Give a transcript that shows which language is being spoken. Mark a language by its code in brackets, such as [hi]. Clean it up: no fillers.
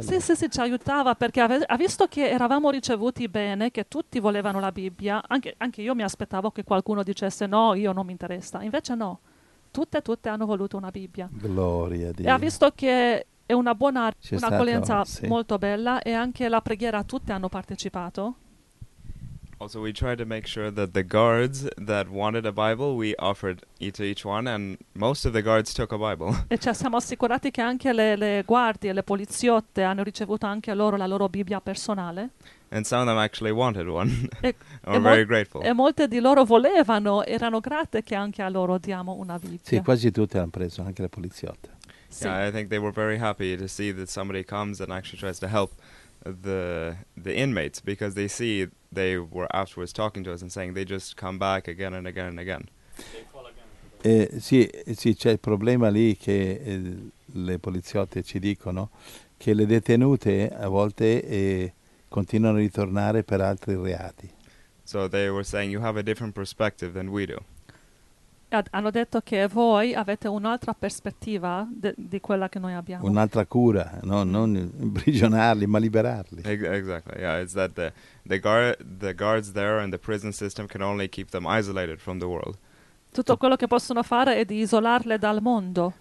[it] Sì, sì, sì, ci aiutava perché ha visto che eravamo ricevuti bene, che tutti volevano la Bibbia, anche io mi aspettavo che qualcuno dicesse no, io non mi interessa. Invece no, tutte hanno voluto una Bibbia. Gloria a Dio. E ha visto che è una buona, un'accoglienza molto bella e anche la preghiera tutte hanno partecipato. [en] Also, we tried to make sure that the guards that wanted a Bible, we offered it to each one, and most of the guards took a Bible. [it] E ci siamo assicurati che anche le guardie, le poliziotte, hanno ricevuto anche loro la loro Bibbia personale. [en] And some of them actually wanted one. We're very grateful. [it] E molte di loro volevano, erano grate che anche a loro diamo una Bibbia. Sì, quasi tutte hanno preso, anche le poliziotte. Sì. [en] Yeah, I think they were very happy to see that somebody comes and actually tries to help the inmates, because they see they were afterwards talking to us and saying they just come back again and again and again. [it] Sì, c'è il problema lì che le poliziotte ci dicono che le detenute a volte continuano a ritornare per altri reati. [en] So they were saying you have a different perspective than we do. [it] Hanno detto che voi avete un'altra prospettiva di quella che noi abbiamo. Un'altra cura, no? Non imprigionarli, ma liberarli. [en] Exactly, yeah. It's that the guards there and the prison system can only keep them isolated from the world. [it] Tutto quello che possono fare è di isolarle dal mondo.